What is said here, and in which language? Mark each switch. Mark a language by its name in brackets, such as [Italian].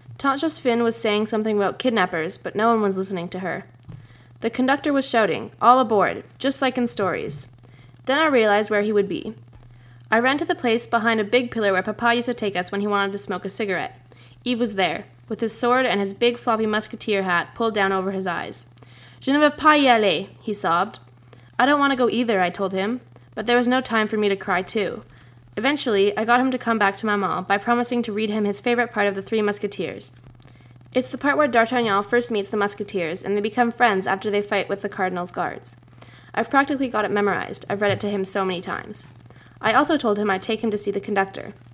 [English] Tantra's Finn was saying something about kidnappers, but no one was listening to her. The conductor was shouting, all aboard, just like in stories. Then I realized where he would be. I ran to the place behind a big pillar where Papa used to take us when he wanted to smoke a cigarette. Eve was there, with his sword and his big floppy musketeer hat pulled down over his eyes. [French] Je ne veux pas y aller, [English] he sobbed. I don't want to go either, I told him, but there was no time for me to cry too. Eventually, I got him to come back to Maman by promising to read him his favorite part of The Three Musketeers. It's the part where D'Artagnan first meets the musketeers and they become friends after they fight with the cardinal's guards. I've practically got it memorized. I've read it to him so many times. I also told him I'd take him to see the conductor.